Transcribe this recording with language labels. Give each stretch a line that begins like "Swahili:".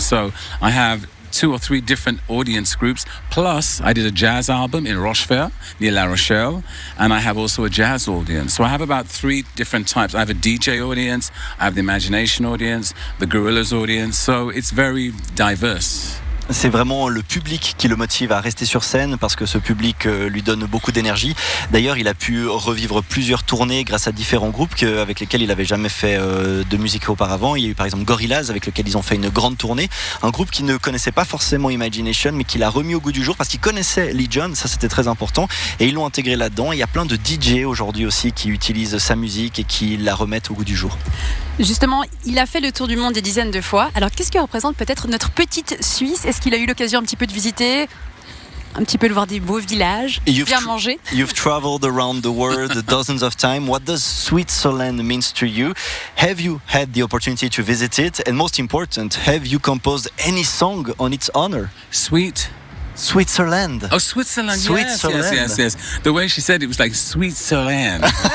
English: So I have 2 or 3 different audience groups. Plus, I did a jazz album in Rochefort, near La Rochelle, and I have also a jazz audience. So I have about 3 different types. I have a DJ audience, I have the Imagination audience, the Gorillaz audience, so it's very diverse.
French: C'est vraiment le public qui le motive à rester sur scène parce que ce public lui donne beaucoup d'énergie. D'ailleurs, il a pu revivre plusieurs tournées grâce à différents groupes avec lesquels il n'avait jamais fait de musique auparavant. Il y a eu par exemple Gorillaz avec lequel ils ont fait une grande tournée. Un groupe qui ne connaissait pas forcément Imagination mais qui l'a remis au goût du jour parce qu'il connaissait Lee John, ça c'était très important. Et ils l'ont intégré là-dedans. Il y a plein de DJ aujourd'hui aussi qui utilisent sa musique et qui la remettent au goût du jour. Justement, il a fait le tour du monde des dizaines de fois. Alors qu'est-ce que représente peut-être notre petite Suisse? Est-ce qu'il a eu l'occasion un petit peu de visiter? un petit peu le voir des beaux villages, bien manger.
English: You've traveled around the world dozens of times. What does Switzerland mean to you? Have you had the opportunity to visit it? And most important, have you composed any song on its honor? Switzerland. Oh, Switzerland. Switzerland. Yes, yes, yes. The way she said it was like Switzerland.